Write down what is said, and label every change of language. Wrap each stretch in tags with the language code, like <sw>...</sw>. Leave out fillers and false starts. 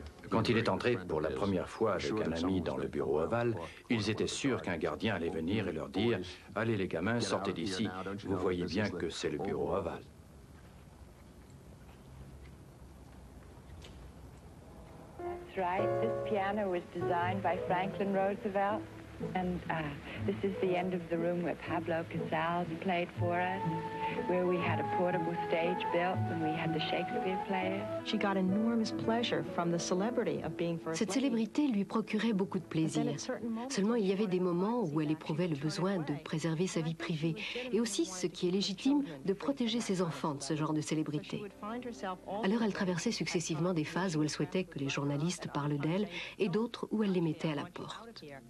<fr>Quand il est entré pour la première fois avec un ami dans le bureau ovale, ils étaient sûrs qu'un gardien allait venir et leur dire « Allez les gamins, sortez d'ici, vous voyez bien que c'est le bureau ovale. »</fr> <en>That's right, this piano was designed by Franklin Roosevelt. And this is the end of the room where Pablo Casals played for us, where we had a portable stage built and we had the Shakespeare players. She got enormous pleasure from the celebrity of being first.</en> <fr>Cette célébrité lui procurait beaucoup de plaisir. Seulement, il y avait des moments où elle éprouvait le besoin de préserver sa vie privée et aussi, ce qui est légitime, de protéger ses enfants de ce genre de célébrité. Alors, elle traversait successivement des phases où elle souhaitait que les journalistes parlent d'elle et d'autres où elle les mettait à la porte.</fr>